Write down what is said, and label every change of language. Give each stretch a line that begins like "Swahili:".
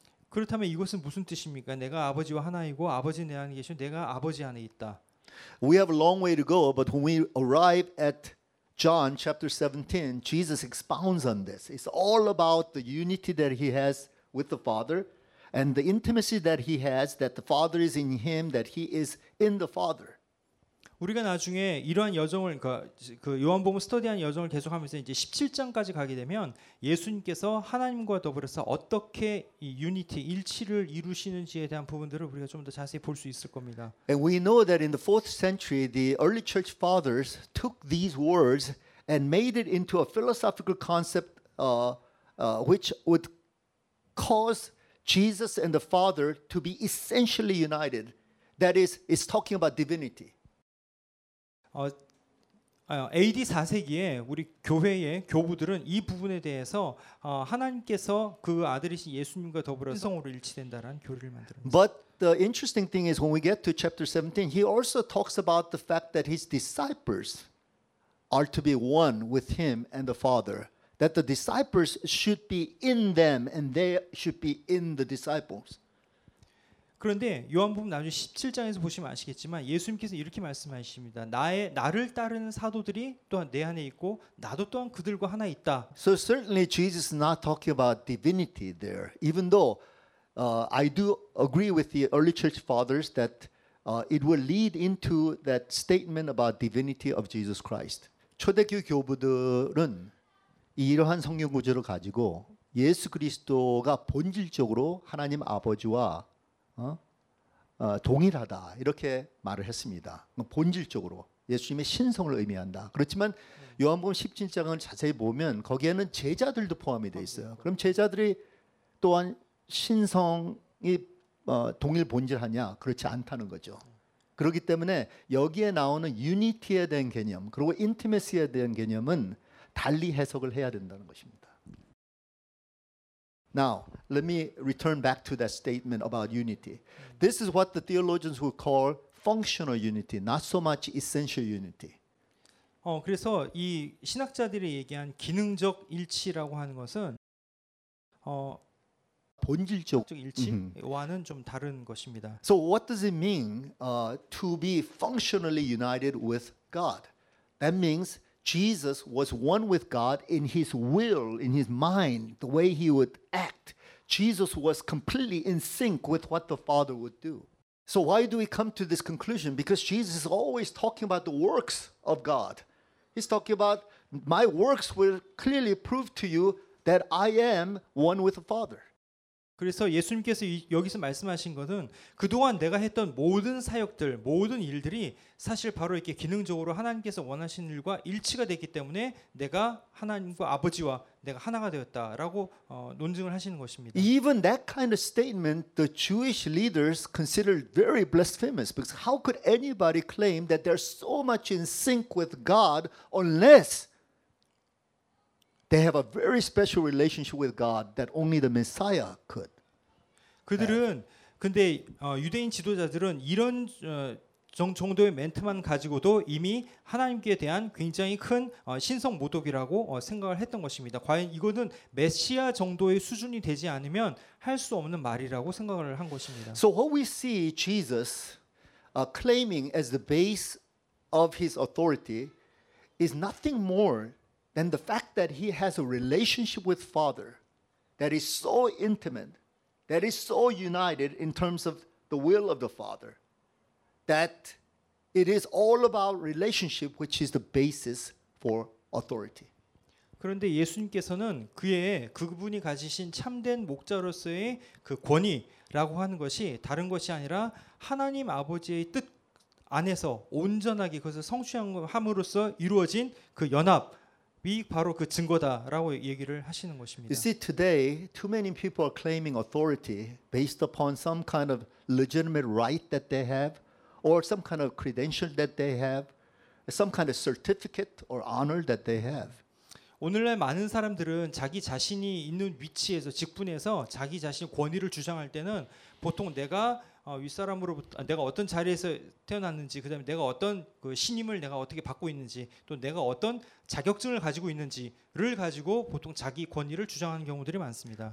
Korean: 그렇다면 이것은 무슨 뜻입니까? 내가 아버지와 하나이고 아버지 내 안에 계시고 내가 아버지 안에 있다.
English: We have a long way to go, but when we arrive at John chapter 17, Jesus expounds on this. It's all about the unity that he has with the Father. And the intimacy that he has, that the Father is in him, that he is in the Father.
Korean: 우리가 나중에 이러한 여정을 그 요한복음 스터디한 여정을 계속하면서 이제 17장까지 가게 되면 예수님께서 하나님과 더불어서 어떻게 이 유니티 일치를 이루시는지에 대한 부분들을 우리가 좀 더 자세히 볼 수 있을 겁니다.
English: And we know that in the 4th century, the early church fathers took these words and made it into a philosophical concept, which would cause Jesus and the Father to be essentially united. That is, it's talking about divinity.
Korean: AD 4세기에 우리 교회의 교부들은 이 부분에 대해서 하나님께서 그 아들이신 예수님과 더불어 성으로 일치된다라는 교리를 만들었습니다.
English: But the interesting thing is when we get to chapter 17, he also talks about the fact that his disciples are to be one with him and the Father. That the disciples should be in them and they should be in the disciples.
Korean: 그런데 요한복음 나중 17장에서 보시면 아시겠지만 예수님께서 이렇게 말씀하십니다. 나를 따르는 사도들이 또한 내 안에 있고 나도 또한 그들과 하나 있다.
English: So certainly Jesus is not talking about divinity there. Even though I do agree with the early church fathers that it will lead into that statement about divinity of Jesus Christ.
Korean: 초대교 교부들은 이러한 성경 구절을 가지고 예수 그리스도가 본질적으로 하나님 아버지와 동일하다 이렇게 말을 했습니다. 본질적으로 예수님의 신성을 의미한다. 그렇지만 요한복음 17장을 자세히 보면 거기에는 제자들도 포함이 돼 있어요. 그럼 제자들이 또한 신성이 동일 본질하냐? 그렇지 않다는 거죠. 그렇기 때문에 여기에 나오는 유니티에 대한 개념 그리고 인티메시에 대한 개념은 달리 해석을 해야 된다는 것입니다.
English: Now, let me return back to that statement about unity. This is what the theologians would call functional unity, not so much essential unity.
Korean: 그래서 이 신학자들이 얘기한 기능적 일치라고 하는 것은 본질적 일치와는 좀 다른 것입니다.
English: So what does it mean to be functionally united with God? That means Jesus was one with God in his will, in his mind, the way he would act. Jesus was completely in sync with what the Father would do. So why do we come to this conclusion? Because Jesus is always talking about the works of God. He's talking about my works will clearly prove to you that I am one with the Father.
Korean: 그래서 예수님께서 여기서 말씀하신 것은 그동안 내가 했던 모든 사역들, 모든 일들이 사실 바로 이렇게 기능적으로 하나님께서 원하시는 일과 일치가 됐기 때문에 내가 하나님과 아버지와 내가 하나가 되었다라고 논증을 하시는 것입니다.
English: Even that kind of statement the Jewish leaders considered very blasphemous because how could anybody claim that they're so much in sync with God unless they have a very special relationship with God that only the Messiah could.
Korean: 그들은 근데 유대인 지도자들은 이런 정도의 멘트만 가지고도 이미 하나님께 대한 굉장히 큰 신성 모독이라고 생각을 했던 것입니다. 과연 이거는 메시아 정도의 수준이 되지 않으면 할 수 없는 말이라고 생각을 한 것입니다.
English: So what we see Jesus claiming as the base of his authority is nothing more then the fact that he has a relationship with Father that is so intimate, that is so united in terms of the will of the Father, that it is all about relationship, which is the basis for authority.
Korean: 그런데 예수님께서는 그의 그분이 가지신 참된 목자로서의 그 권위라고 하는 것이 다른 것이 아니라 하나님 아버지의 뜻 안에서 온전하게 그것을 성취함으로써 이루어진 그 연합이 바로 그 증거다라고 얘기를 하시는 것입니다.
English: You see, today too many people are claiming authority based upon some kind of legitimate right that they have, or some kind of credential that they have, some kind of certificate or honor that they have.
Korean: 오늘날 많은 사람들은 자기 자신이 있는 위치에서 직분에서 자기 자신의 권위를 주장할 때는 보통 내가 윗사람으로부터 내가 어떤 자리에서 태어났는지 그다음에 내가 어떤 그 신임을 내가 어떻게 받고 있는지 또 내가 어떤 자격증을 가지고 있는지를 가지고 보통 자기 권위를 주장하는 경우들이 많습니다.